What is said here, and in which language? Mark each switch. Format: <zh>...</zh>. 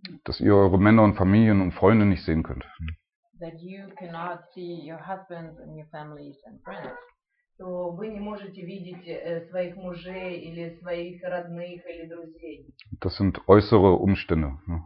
<de>Dass ihr eure Männer und Familien und Freunde nicht sehen könnt.</de> <en>That you cannot see your husbands and your families and friends.</en> <ru>То вы не можете видеть своих мужей или своих родных или друзей.</ru> <de>Das sind äußere Umstände.</de>